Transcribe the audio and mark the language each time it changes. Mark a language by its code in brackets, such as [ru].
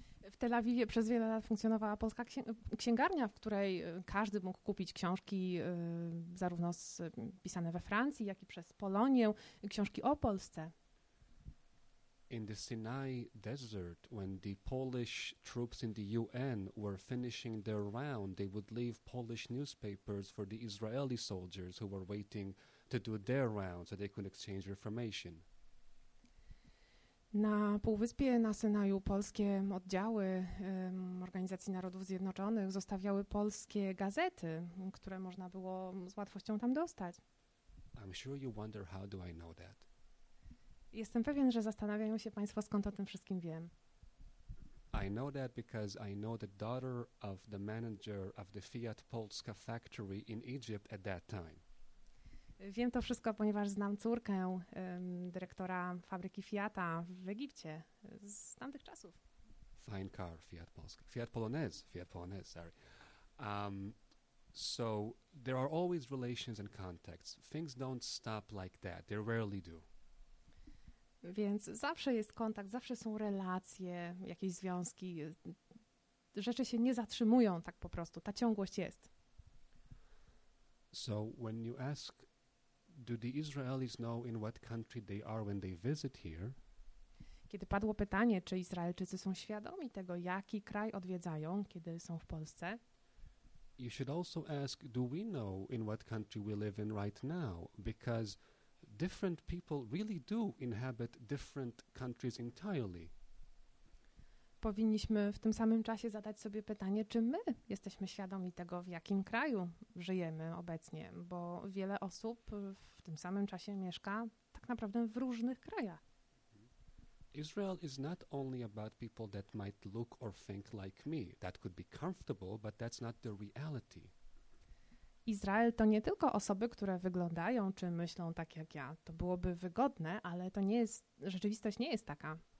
[pl] W Tel Awiwie przez wiele lat funkcjonowała polska księgarnia, w której każdy mógł kupić książki zarówno pisane we Francji, jak i przez Polonię, książki o Polsce. [en] In the Sinai Desert, when the Polish troops in the UN were finishing their round, they would leave Polish newspapers for the Israeli soldiers who were waiting to do their round so they could exchange information. [pl] Na Półwyspie, na Synaju, polskie oddziały Organizacji Narodów Zjednoczonych zostawiały polskie gazety, które można było z łatwością tam dostać. [en] I'm sure you wonder how do I know that. [pl] Jestem pewien, że zastanawiają się Państwo, skąd o tym wszystkim wiem. [en] I know that because I know the daughter of the manager of the Fiat Polska factory in Egypt at that time. [pl] Wiem to wszystko, ponieważ znam córkę dyrektora fabryki Fiata w Egipcie z tamtych czasów. [en] Fine car, Fiat Polska. Fiat Polonaise, sorry. So there are always relations and contacts. Things don't stop like that. They rarely do. [pl] Więc zawsze jest kontakt, zawsze są relacje, jakieś związki. Rzeczy się nie zatrzymują tak po prostu. Ta ciągłość jest. [en] So when you ask, do the Israelis know in what country they are when they visit here? [pl] Kiedy padło pytanie, czy Izraelczycy są świadomi tego, jaki kraj odwiedzają, kiedy są w Polsce? [en] You should also ask, do we know in what country we live in right now? Because different people really do inhabit different countries entirely. [pl] powinniśmy w tym samym czasie zadać sobie pytanie, czy my jesteśmy świadomi tego, w jakim kraju żyjemy obecnie, bo wiele osób w tym samym czasie mieszka tak naprawdę w różnych krajach. [en] Israel is not only about people that might look or think like me. That could be comfortable, but that's not the reality. [pl] Izrael to nie tylko osoby, które wyglądają czy myślą tak jak ja. To byłoby wygodne, ale to nie jest, rzeczywistość nie jest taka.